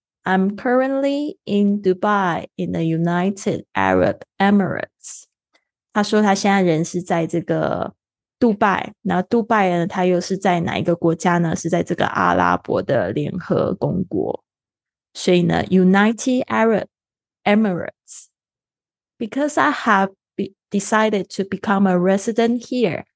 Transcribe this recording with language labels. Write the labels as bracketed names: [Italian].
[English] I'm currently in Dubai in the United Arab Emirates. [Chinese] 他说他现在人是在这个杜拜，那杜拜呢他又是在哪一个国家呢？是在这个阿拉伯的联合公国。所以呢 [English] United Arab Emirates. Because I have decided to become a resident here.